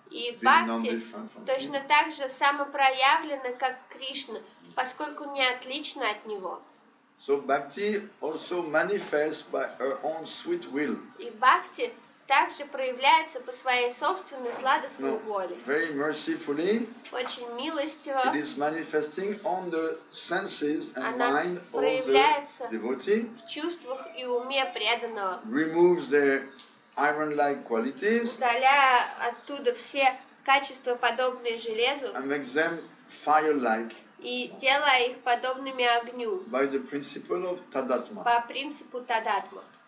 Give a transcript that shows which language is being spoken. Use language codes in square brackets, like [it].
[ru] И бхакти точно так же самопроявлено, как Кришна, поскольку не отлично от него. [en] So bhakti also manifests by her own sweet will. [ru] И бхакти также проявляется по своей собственной сладостной воле. [en] Very mercifully. [ru] Очень милостиво. [en] It is manifesting on the senses and mind of the devotee. [ru] В чувствах и уме преданного. [en] Removes their iron-like qualities. [ru] Удаляя оттуда все качества, подобные железу. [en] And makes them fire-like. [ru] И делая их подобными огню. [en] By the principle of tadatma. [ru] По принципу тадатма.